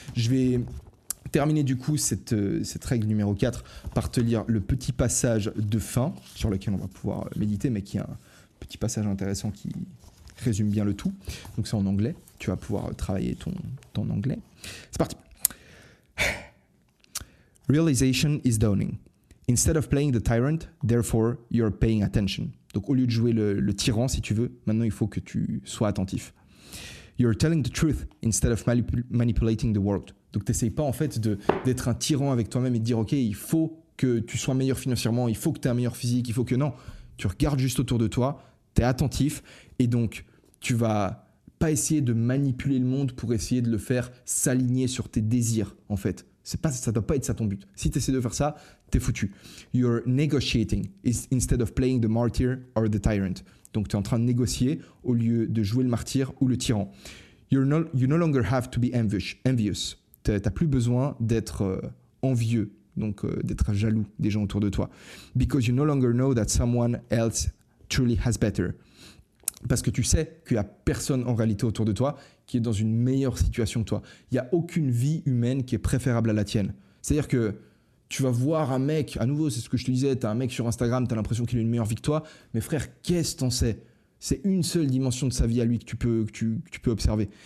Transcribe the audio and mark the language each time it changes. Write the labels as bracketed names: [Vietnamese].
[French] Je vais terminer du coup cette règle numéro 4 par te lire le petit passage de fin sur lequel on va pouvoir méditer, mais qui est un petit passage intéressant qui résume bien le tout. Donc c'est en anglais, tu vas pouvoir travailler ton anglais. C'est parti. [English] Realization is dawning. Instead of playing the tyrant, therefore you're paying attention. [French] Donc au lieu de jouer le tyran, si tu veux, maintenant il faut que tu sois attentif. [English] You're telling the truth instead of manipulating the world. [French] Donc t'essayes pas en fait d'être un tyran avec toi-même et de dire ok, il faut que tu sois meilleur financièrement, il faut que tu aies un meilleur physique, il faut que non. Tu regardes juste autour de toi, t'es attentif et donc tu vas pas essayer de manipuler le monde pour essayer de le faire s'aligner sur tes désirs en fait. C'est pas, ça doit pas être ça ton but. Si tu essaies de faire ça, t'es foutu. [English] You're negotiating instead of playing the martyr or the tyrant. [French] Donc t'es en train de négocier au lieu de jouer le martyr ou le tyran. [English] You no longer have to be envious. [French] T'as plus besoin d'être envieux, donc d'être jaloux des gens autour de toi. [English] Because you no longer know that someone else truly has better. [French] Parce que tu sais qu'il n'y a personne en réalité autour de toi qui est dans une meilleure situation que toi. Il n'y a aucune vie humaine qui est préférable à la tienne. C'est-à-dire que tu vas voir un mec, à nouveau, c'est ce que je te disais, tu as un mec sur Instagram, tu as l'impression qu'il a une meilleure vie que toi. Mais frère, qu'est-ce t'en sais ? C'est une seule dimension de sa vie à lui que tu peux observer.